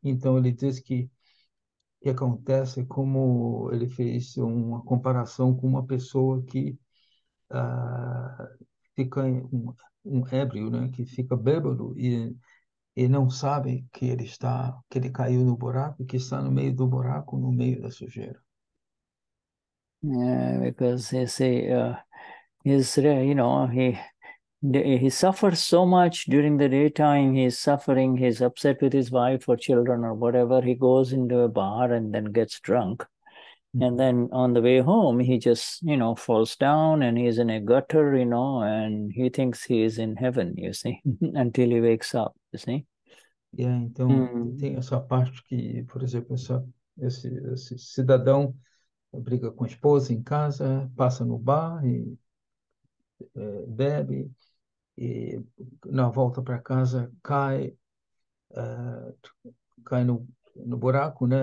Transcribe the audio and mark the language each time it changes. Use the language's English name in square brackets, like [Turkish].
[Portuguese] Então, ele diz que acontece como ele fez uma comparação com uma pessoa que fica um ébrio, né? Que fica bêbado e não sabe que ele caiu no buraco, que está no meio do buraco, no meio da sujeira. [English] Yeah, because they say, you know, he suffers so much during the daytime. He's suffering, he's upset with his wife or children or whatever. He goes into a bar and then gets drunk. And then on the way home, he just, you know, falls down and he's in a gutter, you know, and he thinks he is in heaven, you see, until he wakes up, you see. [Portuguese] Então, tem essa parte que, por exemplo, esse cidadão. briga com a esposa em casa, passa no bar e bebe, e na volta para casa cai no buraco, né?